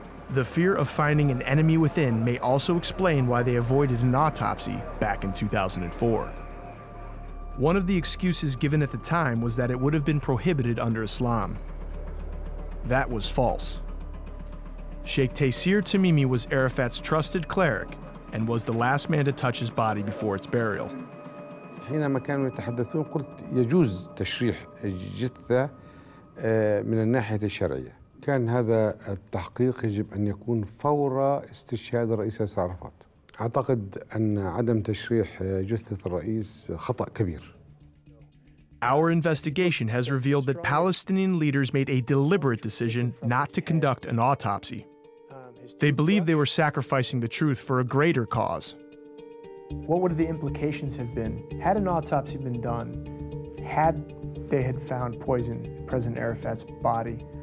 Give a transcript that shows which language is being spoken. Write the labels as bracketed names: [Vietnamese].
[English] The fear of finding an enemy within may also explain why they avoided an autopsy back in 2004. One of the excuses given at the time was that it would have been prohibited under Islam. That was false. Sheikh Taysir Tamimi was Arafat's trusted cleric and was the last man to touch his body before its burial. [Arabic] حينما كانوا يتحدثون قلت يجوز تشريح الجثة من الناحية الشرعية. كان هذا التحقيق يجب أن يكون فور استشهاد الرئيس عرفات. أعتقد أن عدم تشريح جثة الرئيس خطأ كبير. [English] Our investigation has revealed that Palestinian leaders made a deliberate decision not to conduct an autopsy. They believed they were sacrificing the truth for a greater cause. What would the implications have been had an autopsy been done, had they had found poison in President Arafat's body?